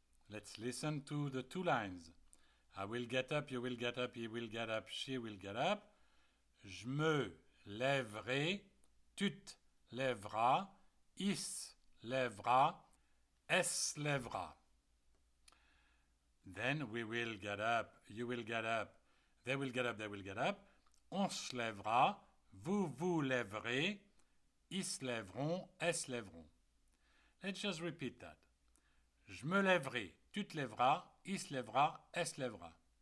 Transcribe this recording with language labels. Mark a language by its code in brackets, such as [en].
[en] Let's listen to the two lines. I will get up, you will get up, he will get up, she will get up. [fr] Je me lèverai, tu te lèveras, il se lèvera, elle se lèvera. [en] Then we will get up, you will get up, they will get up, they will get up. [fr] On se lèvera, vous vous lèverez, ils se lèveront, elles se lèveront. [en] Let's just repeat that. [fr] Je me lèverai, tu te lèveras, il se lèvera, elle se lèvera.